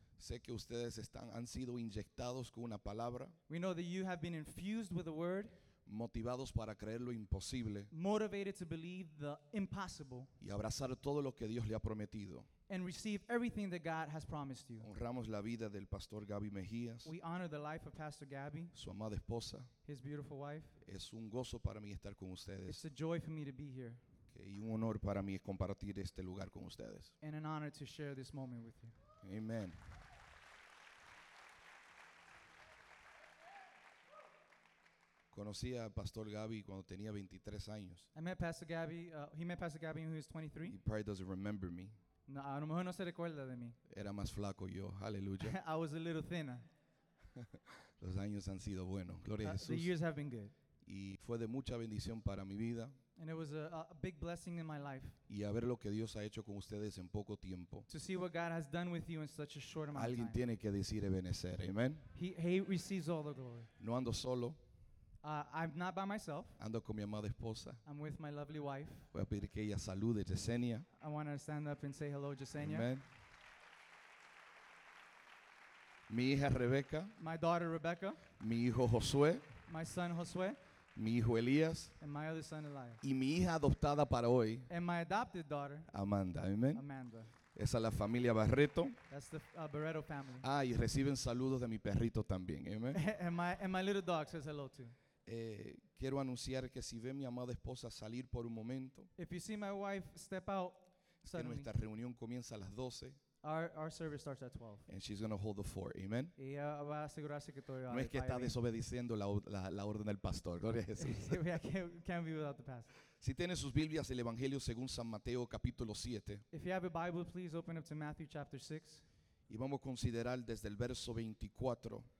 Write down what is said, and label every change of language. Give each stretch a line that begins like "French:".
Spanish: Sé que ustedes están, han sido inyectados con una palabra.
English: We know that you have been infused with a word.
Spanish: Motivados para creer lo imposible.
English: Motivated to believe the impossible.
Spanish: Y abrazar todo lo que Dios le ha prometido.
English: And receive everything that God has promised you.
Spanish: Honramos la vida del Pastor Gaby Mejías.
English: We honor the life of Pastor Gaby.
Spanish: Su amada esposa.
English: His beautiful wife.
Spanish: Es un gozo para mí estar con ustedes.
English: It's a joy for me to be here.
Spanish: Y un honor para mí compartir este lugar con ustedes.
English: And an honor to share this moment with you. Amen.
Spanish: Conocí a Pastor Gaby cuando tenía 23 años.
English: I met Pastor Gaby. He met Pastor Gaby when he was 23. He probably doesn't remember me.
Spanish: No, a lo mejor no se recuerda de mí. Era más flaco yo, aleluya.
English: I was a little thinner.
Spanish: Los años han sido buenos, gloria a Jesús.
English: The years have been good.
Spanish: Y fue de mucha bendición para mi vida.
English: And it was a big blessing in my life.
Spanish: Y a ver lo que Dios ha hecho con ustedes en poco tiempo.
English: To see what God has done with you in such a short amount of
Spanish: alguien
English: time.
Spanish: Tiene que decir Ebenezer, amen.
English: He receives all the glory.
Spanish: No ando solo.
English: I'm not by myself.
Spanish: Ando con mi amada esposa.
English: I'm with my lovely wife.
Spanish: Voy a pedir que ella salude, Yesenia.
English: I want to stand up and say hello, Yesenia. Amen.
Spanish: Mi hija Rebeca.
English: My daughter Rebecca.
Spanish: Mi hijo Josué.
English: My son Josué.
Spanish: Mi hijo Elías.
English: And my other son Elias.
Spanish: Y mi hija adoptada para hoy.
English: And my adopted daughter. Amanda. Amen. Amanda.
Spanish: Esa es la familia Barreto.
English: That's the Barreto family.
Spanish: Ah, y reciben saludos de mi perrito también. Amen.
English: and my little dog says hello too.
Spanish: Quiero anunciar que si ve mi amada esposa salir por un momento,
English: if you see my wife step out suddenly,
Spanish: que nuestra reunión comienza a las 12,
English: our service starts at 12, and she's going to hold the fort, amen.
Spanish: Y va a asegurarse que todo no es que está desobedeciendo la orden del pastor, gloria a Jesús.
English: can't be without the pastor.
Spanish: Si tiene sus Biblias, el Evangelio según San Mateo capítulo 7,
English: if you have a Bible, please open up to Matthew chapter 6,
Spanish: y vamos a considerar desde el verso 24,